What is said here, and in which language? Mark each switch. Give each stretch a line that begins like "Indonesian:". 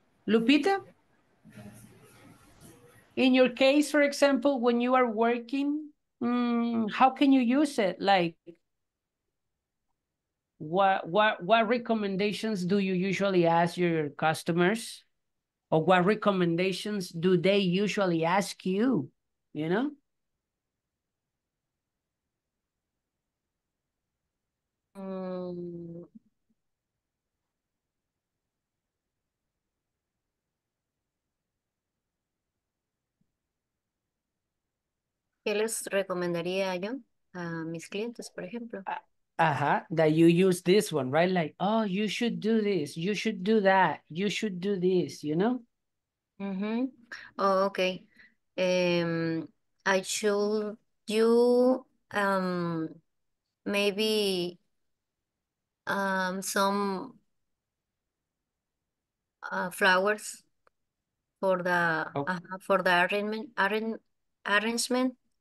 English: Lupita, in your case, for example, when you are working, how can you use it? Like, what recommendations do you usually ask your customers? Or what recommendations do they usually ask you, you know?
Spanish: ¿Qué les recomendaría yo a mis clientes, por ejemplo?
English: That you use this one, right? Like, oh, you should do this, you should do that, you should do this, you know? Oh, okay. I should you maybe some flowers for the for the arrangement.